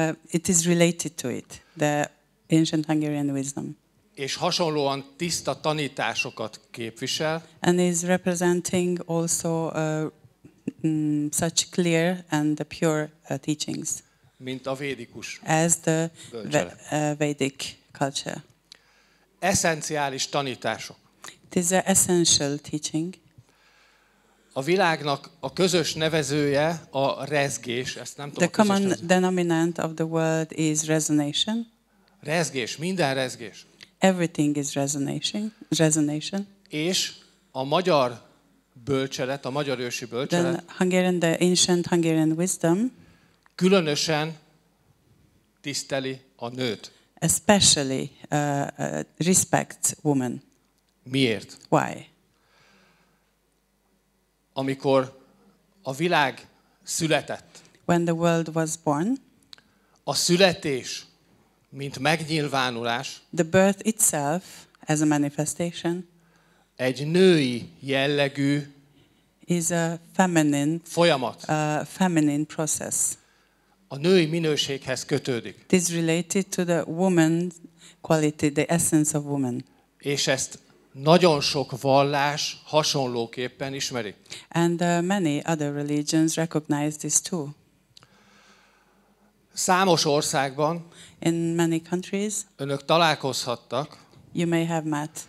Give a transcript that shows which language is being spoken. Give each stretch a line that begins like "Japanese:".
English: It is related to it, the ancient Hungarian wisdom.
Hungarian: És hasonlóan tiszta tanításokat képvisel.
English: And is representing also such clear and pure teachings.
Hungarian: Mint a védikus.
English: As the Vedic culture.
Hungarian: Eszenciális tanítások.
English: It is an essential teaching.
Hungarian: A világnak a közös nevezője a rezgés. Ezt nem tudom.
English: The common denominator of the world is resonation.
Hungarian: Rezgés, minden rezgés.
English: Everything is resonation.
Hungarian: És a magyar bölcselet, a magyar ősi bölcselet.
English: The ancient Hungarian wisdom.
Hungarian: Különösen tiszteli a nőt.
English: Especially respects woman.
Hungarian: Miért?
English: Why?
Hungarian: Amikor a világ született.
English: When the world was born.
Hungarian: A születés, mint megnyilvánulás.
English: The birth itself as a manifestation.
Hungarian: Egy női jellegű.
English: Is a feminine
Hungarian: folyamat.
English: A feminine process.
Hungarian: A női minőséghez kötődik.
English: It is related to the woman's quality, the essence of woman.
Hungarian: És ezt nagyon sok vallás hasonlóképpen ismeri.
English: And many other religions recognize this too.
Hungarian: Számos országban,
English: in many countries,
Hungarian: önök találkozhattak,
English: you may have met,